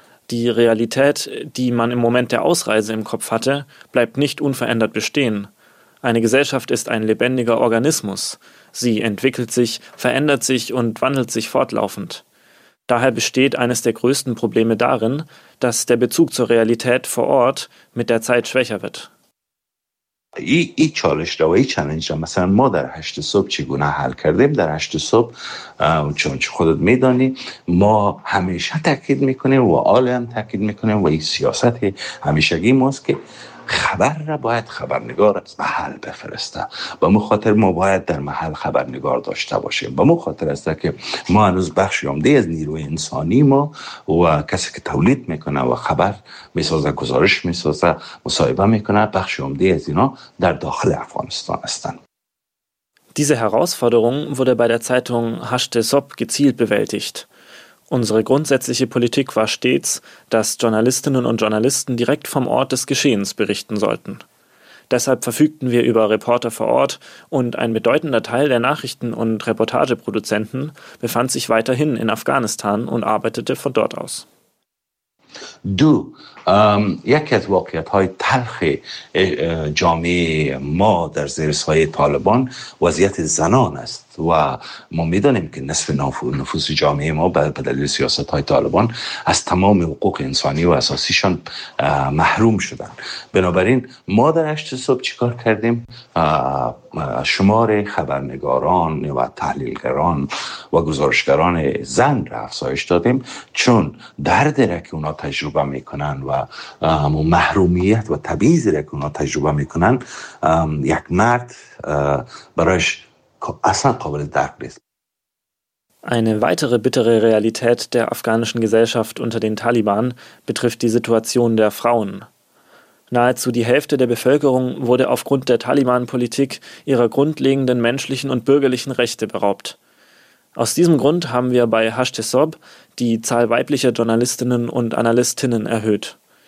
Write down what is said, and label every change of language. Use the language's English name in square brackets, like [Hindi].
[German] Die Realität, die man im Moment der Ausreise im Kopf hatte, bleibt nicht unverändert bestehen. Eine Gesellschaft ist ein lebendiger Organismus. Sie entwickelt sich, verändert sich und wandelt sich fortlaufend. Daher besteht eines der größten Probleme darin, dass der Bezug zur Realität vor Ort mit der Zeit schwächer wird. [Persian] ای چالش را و ای چالش را مثلا ما در هشت صبح چگونه حل کردیم در هشت صبح چون خودت میدانی ما همیشه تاکید میکنیم و آله هم تاکید میکنیم و این سیاست همیشگی ماست که خبر را باید خبرنگار از محل بفرسته با مو خاطر ما باید در محل خبرنگار داشته باشیم با مو خاطر است که ما هنوز بخش عمده از نیروی انسانی ما و کسی که تولید میکنه و خبر میسازه گزارش میسازه مصاحبه میکنه بخش عمده از اینا در داخل افغانستان هستند [German] Diese Herausforderung wurde bei der Zeitung Hashte Sob gezielt bewältigt. Unsere grundsätzliche Politik war stets, dass Journalistinnen und Journalisten direkt vom Ort des Geschehens berichten sollten. Deshalb verfügten wir über Reporter vor Ort und ein bedeutender Teil der Nachrichten- und Reportageproduzenten befand sich weiterhin in Afghanistan und arbeitete von dort aus. Du, [Persian] یکی از واقعیت‌های تلخ جامعه ما در زیرسایه طالبان وضعیت زنان است و ما می‌دانیم که نصف نفوس جامعه ما به دلیل سیاست‌های طالبان از تمام حقوق انسانی و اساسیشان محروم شدند بنابراین ما در هشت صبح چیکار کردیم شمار خبرنگاران و تحلیلگران و گزارشگران زن را افزایش دادیم چون دردی را که اونا تجربه می‌کنند و محرومیت و تبعیض را که اونا تجربه میکنن یک مرد برایش اصلا قابل درک نیست. [German] Eine weitere bittere Realität der afghanischen Gesellschaft unter den Taliban betrifft die Situation der Frauen. Nahezu die Hälfte der Bevölkerung wurde aufgrund der Taliban-Politik ihrer grundlegenden menschlichen und bürgerlichen Rechte beraubt. Aus diesem Grund haben wir bei Hashte Sob die Zahl weiblicher Journalistinnen und Analystinnen erhöht.